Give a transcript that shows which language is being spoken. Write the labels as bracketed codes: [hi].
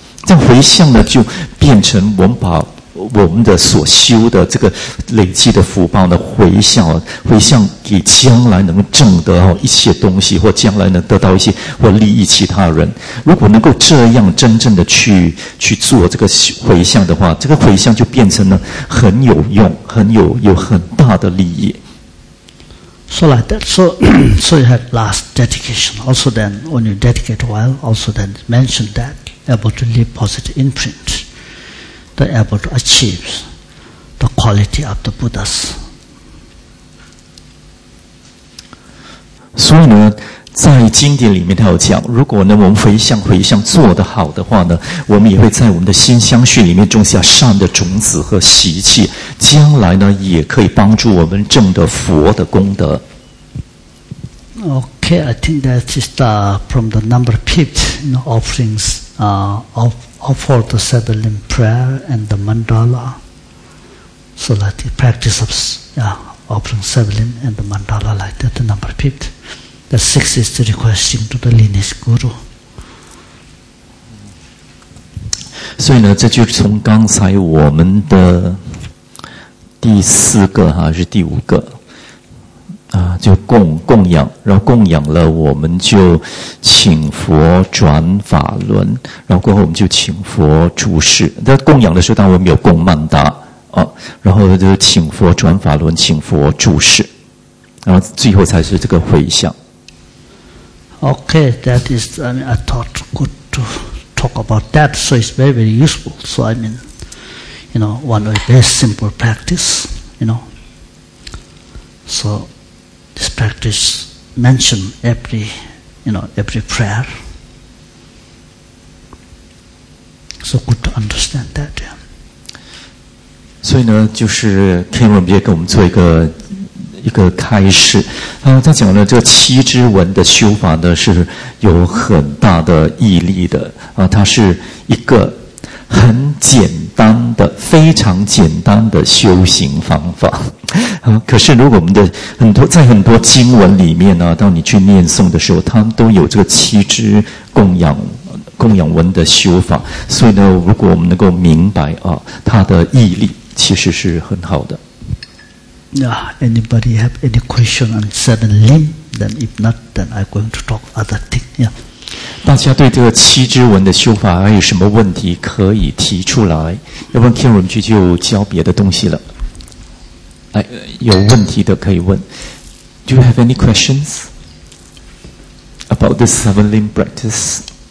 [zh] 这样回向呢，就变成我们把我们的所修的这个累积的福报呢，回向，回向给将来能挣得一些东西，或将来能得到一些，或利益其他人。如果能够这样真正的去做这个回向的话，这个回向就变成了很有用，有很大的利益。 [en] So like that. So you have last dedication. Also then, when you dedicate well, also then mention that able to leave positive imprint, that able to achieve the quality of the Buddhas. [zh] 所以呢，在经典里面他有讲，如果呢我们回向做得好的话呢，我们也会在我们的心相续里面种下善的种子和习气，将来呢也可以帮助我们证得佛的功德。 [en] Okay, I think that is from the number of people, you know, offerings, offer the Sadalim prayer and the mandala. So like the practice of, offering Sadalim and the mandala like that, the number of people. The six is the requesting to the lineage guru. [zh] 所以呢，这就是从刚才我们的第四个还是第五个啊，就供养，然后供养了，我们就请佛转法轮，然后过后我们就请佛注释。那供养的时候，当然我们有供曼达啊，然后就请佛转法轮，请佛注释，然后最后才是这个回向。 [en] Okay, that is, I thought good to. Talk about that, so it's very, very useful. So, I mean, you know, one way, very simple practice, you know. So, this practice mention every prayer. So, good to understand that, yeah. [zh] 所以呢，就是 Kevin 也给我们做一个开示，他讲了这七支文的修法呢是有很大的毅力的啊，它是一个很简单的、非常简单的修行方法啊。可是如果我们的很多经文里面呢，当你去念诵的时候，它都有这个七支供养文的修法，所以呢，如果我们能够明白啊，它的毅力其实是很好的。 [en] Yeah, anybody have any question on seven limb? Then if not, then I'm going to talk other thing. Yeah. [zh] 大家对这个七支文的修法还有什么问题可以提出来？要不然 Kim 我们就教别的东西了。来，有问题的可以问。 [en] Do you have any questions about the seven limb practice?